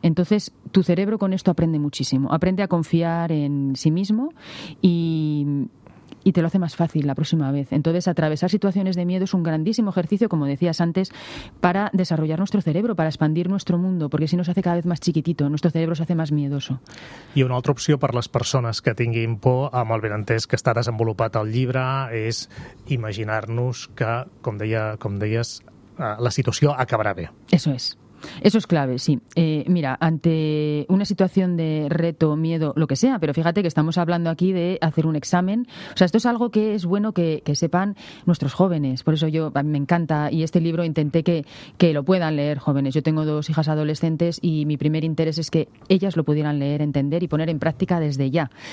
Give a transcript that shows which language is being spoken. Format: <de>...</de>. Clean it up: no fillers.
<es>Entonces, tu cerebro con esto aprende muchísimo. Aprende a confiar en sí mismo y te lo hace más fácil la próxima vez. Entonces, atravesar situaciones de miedo es un grandísimo ejercicio, como decías antes, para desarrollar nuestro cerebro, para expandir nuestro mundo, porque si no se hace cada vez más chiquitito, nuestro cerebro se hace más miedoso.</es> <ca>I una altra opció per les persones que tinguin por, amb el benentès que està desenvolupat el llibre, és imaginar-nos que, com deies, la situació acabarà bé.</ca> <es>Eso es. Eso es clave, sí. Mira, ante una situación de reto, miedo, lo que sea, pero fíjate que estamos hablando aquí de hacer un examen. O sea, esto es algo que es bueno que sepan nuestros jóvenes. Por eso yo, a mí me encanta, y este libro intenté que lo puedan leer jóvenes. Yo tengo dos hijas adolescentes y mi primer interés es que ellas lo pudieran leer, entender y poner en práctica desde ya.</es>